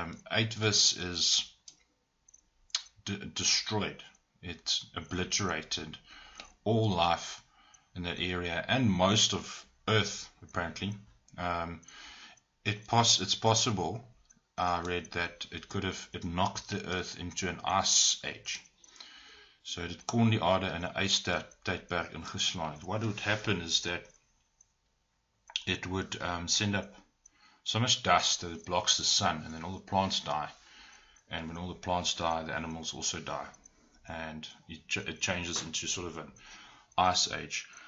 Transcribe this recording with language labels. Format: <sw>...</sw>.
<en>Uitwis is destroyed. It obliterated all life in that area, and most of Earth, apparently. It's possible, I read, that it knocked the Earth into an ice age.</en> <af>So it kon die aarde in 'n ystydperk ingeslaan.</af> <en>What would happen is that it would send up so much dust that it blocks the sun, and then all the plants die. And when all the plants die, the animals also die. And it changes into sort of an ice age.</en>